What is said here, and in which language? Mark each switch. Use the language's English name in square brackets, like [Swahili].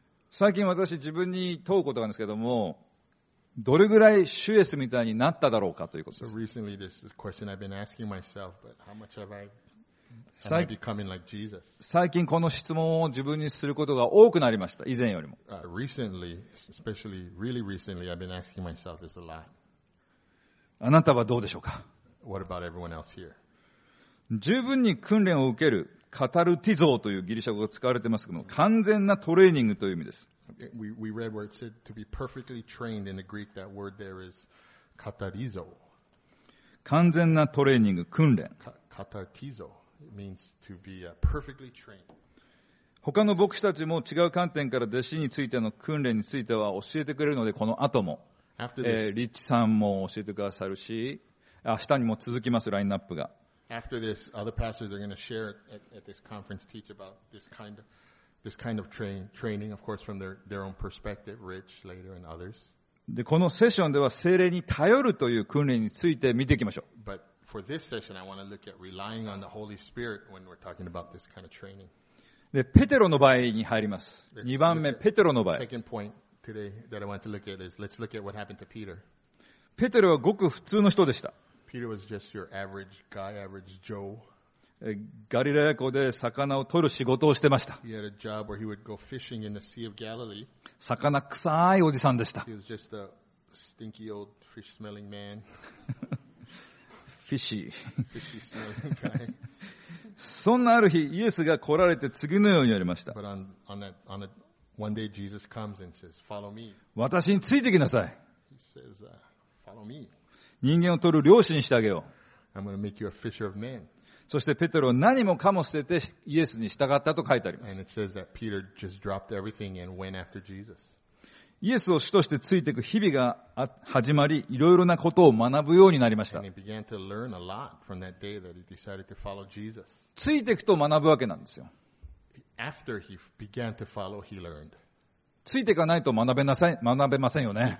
[Japanese] 最近私自分に問うことがあるんですけども、どれぐらい主イエスみたいになっただろうかということです。 [English] So this question I've been asking myself, but how much have I becoming like Jesus? [Japanese] 最近この質問を自分にすることが多くなりました、以前よりも。 [English] Recently, especially really recently, I've been asking myself this a lot. [Japanese] あなたはどうでしょうか。 [English] What about everyone else here? [Japanese] 十分に訓練を受けるカタルティゾーというギリシャ語が使われていますけども、完全なトレーニングという意味です。 [English] We read where it said to be perfectly trained in the Greek, that word there is カタリゾー。 [Japanese] 完全なトレーニング、訓練。カタルティゾー。 [English] It means to be perfectly trained. [Japanese] 他の牧師たちも違う観点から弟子についての訓練については教えてくれるので、この後も。 [English] After this, [Japanese] リッチさんも教えてくださるし、明日にも続きます、ラインナップが。 [English] After this, other pastors are going to share at this conference teach about this kind of training, of course, from their own perspective, Rich later and others. [Japanese] で、このセッションでは聖霊に頼るという訓練について見ていきましょう。 [English] But for this session, I want to look at relying on the Holy Spirit when we're talking about this kind of training. [Japanese] で、ペテロの場合に入ります。 2番目、ペテロの場合。 [English] Second point today that I want to look at is let's look at what happened to Peter. [Japanese] ペテロはごく普通の人でした。 [English] Peter was just your average guy, average Joe. [Japanese] ガリラヤ湖で魚を取る仕事をしてました。 [English] He had a job where he would go fishing in the Sea of Galilee. [Japanese] 魚臭いおじさんでした。 [English] He was just a stinky old fish-smelling man. Fishy. Fishy-smelling guy. [Japanese] そんなある日、イエスが来られて次のように言われました。 [English] But one day Jesus comes and says, "Follow me." [Japanese] 私についてきなさい。 [English] He says, "Follow me." [Japanese] 人間を取る漁師にしてあげよう。 [English] I'm going to make you a fisher of men. [Japanese] そしてペテロは何もかも捨ててイエスに従ったと書いてあります。 [English] And it says that Peter just dropped everything and went after Jesus. [Japanese] イエスを主としてついていく日々が始まり、いろいろなことを学ぶようになりました。 [English] And he began to learn a lot from that day that he decided to follow Jesus. [Japanese] ついていくと学ぶわけなんですよ。 [English] After he began to follow, he learned. [Japanese] ついていかないと学べませんよね。